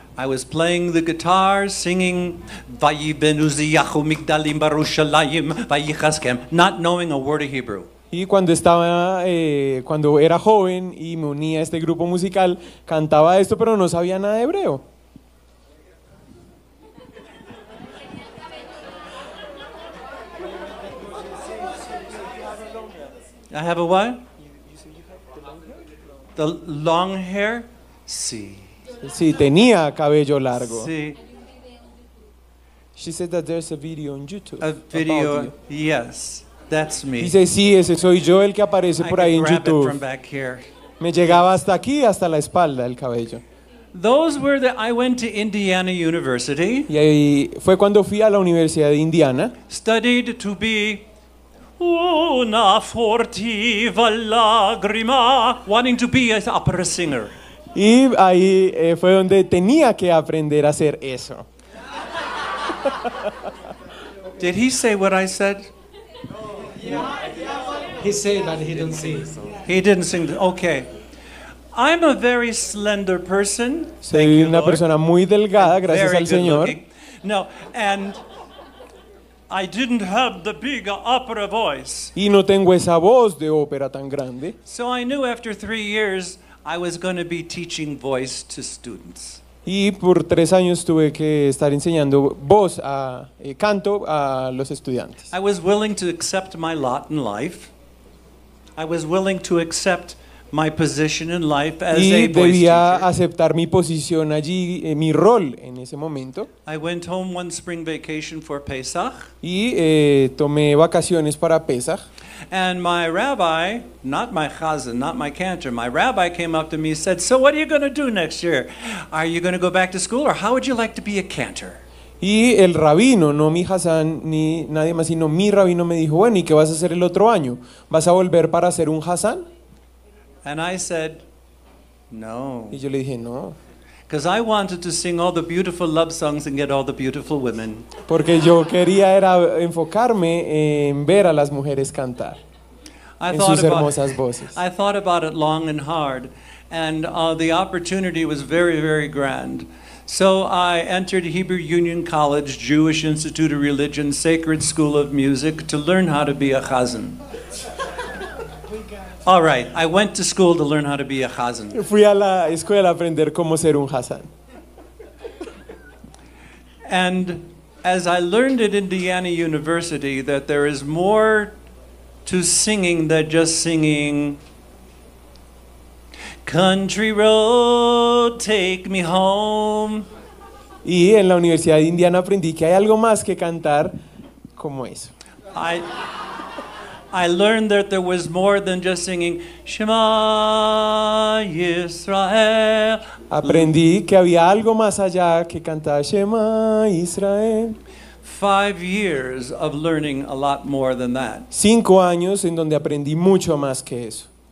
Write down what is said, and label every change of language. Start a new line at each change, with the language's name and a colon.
English: I was playing the guitar, singing Vayibenu Ziyahu Migdalim Barushalayim Vayichaskem, not knowing a word of Hebrew.
Spanish: Y cuando estaba, cuando era joven y me unía a este grupo musical, cantaba esto, pero no sabía nada de hebreo.
English: I have a what? The long hair?
Spanish: Sí. Sí, tenía cabello largo. Sí.
English: She said that there's a video on YouTube. A video, yes, that's me.
Spanish: Dice, sí, ese soy yo el que aparece
English: I
Spanish: por ahí en YouTube.
English: It from back here.
Spanish: Me llegaba hasta aquí, hasta la espalda el cabello.
English: Those were the, I went to Indiana University.
Spanish: Y ahí fue cuando fui a la Universidad de Indiana.
English: Studied to be una furtiva lágrima, wanting to be an opera singer.
Spanish: Y ahí fue donde tenía que aprender a hacer eso.
English: Did he say what I said? He said, but he didn't sing. He didn't sing. Okay. I'm a very slender person.
Spanish: Soy una persona muy delgada, gracias al Señor.
English: No, and I didn't have the big opera voice.
Spanish: Y no tengo esa voz de ópera tan grande.
English: So I knew after 3 years I was going to be teaching voice to students.
Spanish: Y por 3 años tuve que estar enseñando voz a canto a los estudiantes.
English: I was willing to accept my lot in life. I was willing to accept my position in life as a voice teacher.
Spanish: Y debía aceptar mi posición allí, mi rol en ese momento.
English: I went home one spring vacation for Pesach.
Spanish: Y tomé vacaciones para Pesach.
English: And my rabbi, not my chazan, not my cantor, my rabbi came up to me and said, so what are you going to do next year? Are you going to go back to school or how would you like to be a cantor?
Spanish: Y el rabino, no mi chazan, ni nadie más, sino mi rabino me dijo, bueno, ¿y qué vas a hacer el otro año? ¿Vas a volver para ser un chazan?
English: And I said, no.
Spanish: Y yo le dije, no.
English: Because I wanted to sing all the beautiful love songs and get all the beautiful women.
Spanish: Porque yo quería era enfocarme en ver a las mujeres cantar.
English: I
Spanish: en
English: thought
Spanish: sus hermosas voces.
English: I thought about it long and hard, and the opportunity was very, very grand. So I entered Hebrew Union College, Jewish Institute of Religion, Sacred School of Music to learn how to be a chazan. All right, I went to school to learn how to be a chazan.
Spanish: Fui a la escuela a aprender cómo ser un chazan.
English: And as I learned at Indiana University that there is more to singing than just singing Country Road, Take Me Home.
Spanish: Y en la Universidad de Indiana aprendí que hay algo más que cantar como eso.
English: I learned that there was more than just singing Shema Yisrael.
Spanish: Aprendí que había algo más allá que cantar Shema Yisrael.
English: 5 years of learning a lot more than that.
Spanish: 5 años en donde aprendí mucho más que eso.